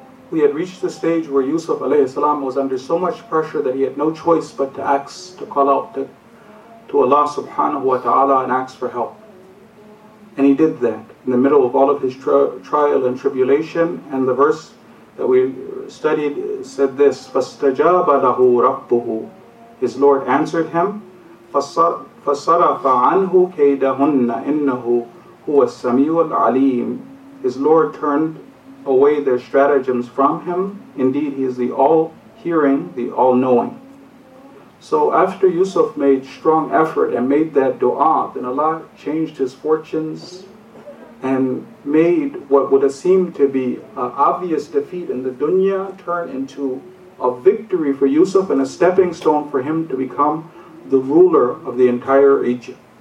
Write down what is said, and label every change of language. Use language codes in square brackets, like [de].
[en] We had reached the stage where Yusuf alayhi salam was under so much pressure that he had no choice but to ask, to call out to Allah subhanahu wa ta'ala and ask for help. And he did that in the middle of all of his trial and tribulation, and the verse that we studied said this, [ar] فَاسْتَجَابَ لَهُ رَبُّهُ. [en] His Lord answered him, [ar] فَصَرَفَ عَنْهُ كَيْدَهُنَّ إِنَّهُ هُوَ السَّمِيعُ الْعَلِيمُ. [en] His Lord turned away their stratagems from him. Indeed, he is the all-hearing, the all-knowing. So after Yusuf made strong effort and made that dua, then Allah changed his fortunes and made what would have seemed to be an obvious defeat in the dunya turn into a victory for Yusuf and a stepping stone for him to become the ruler of the entire Egypt.